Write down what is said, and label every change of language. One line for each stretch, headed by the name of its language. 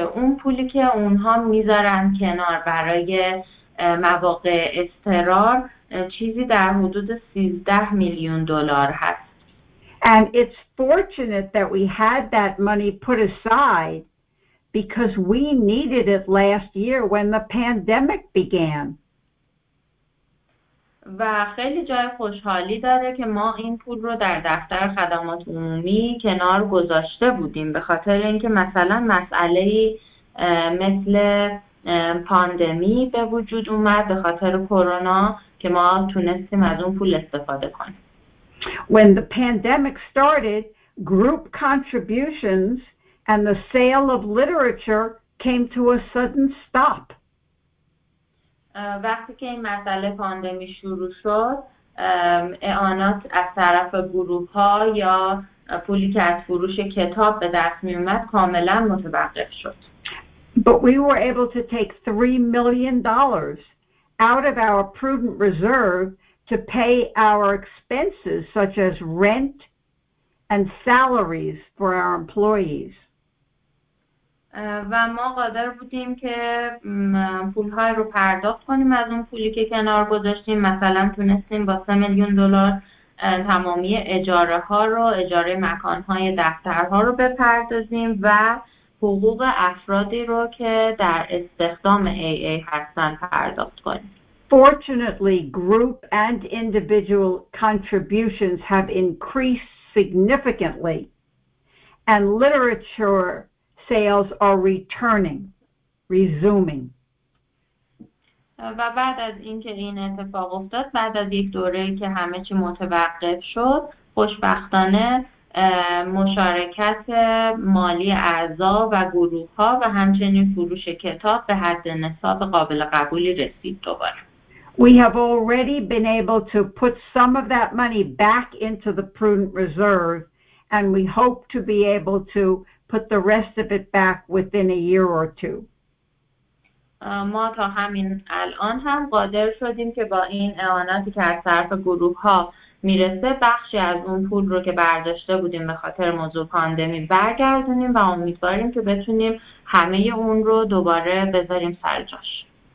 Persian: اون پولی که اونها میذارن کنار برای مواقع اضطرار چیزی در حدود 13 میلیون دلار هست.
English: And it's fortunate that we had that money put aside because we needed it last year when the pandemic began.
Persian: و خیلی جای خوشحالی داره که ما این پول رو در دفتر خدمات عمومی کنار گذاشته بودیم به خاطر اینکه مثلا مسئله مثل پاندمی به وجود اومد به خاطر کرونا که ما تونستیم از اون پول استفاده کنیم.
English: When the pandemic started, group contributions and the sale of literature came to a sudden stop.
Persian: وقتی که این مسئله پاندمی شروع شد، اعانات از طرف گروه ها یا پولی که از فروش کتاب به دست می اومد کاملا متوقف شد.
English: But we were able to take $3 million out of our prudent reserve to pay our expenses such as rent and salaries for our employees.
Persian: و ما قادر بودیم که پولهای رو پرداخت کنیم از اون پولی که کنار گذاشتیم مثلا تونستیم با 3 میلیون دلار تمامی اجاره ها رو اجاره مکان های دفتر ها رو بپردازیم و حقوق افرادی رو که در استخدام AA هستن پرداخت کنیم.
English: Fortunately, group and individual contributions have increased significantly and literature sales are resuming.
Persian: و بعد از اینکه این اتفاق افتاد بعد از یک دوره‌ای که همه چی متوقف شد خوشبختانه مشارکت مالی اعضا و گروه‌ها و همچنین فروش کتاب به حد نصاب قابل قبولی رسید دوباره.
English: We have already been able to put some of that money back into the prudent reserve and we hope to be able to put the rest of it back within a year or two.
Persian: ما تا همین الان هم قادر شدیم که با این اعاناتی که از طرف گروه ها میرسه بخشی از اون پول رو که برداشته بودیم به خاطر موضوع پاندمی برگردونیم و امیدواریم که بتونیم همه اون رو دوباره بذاریم سر جاش.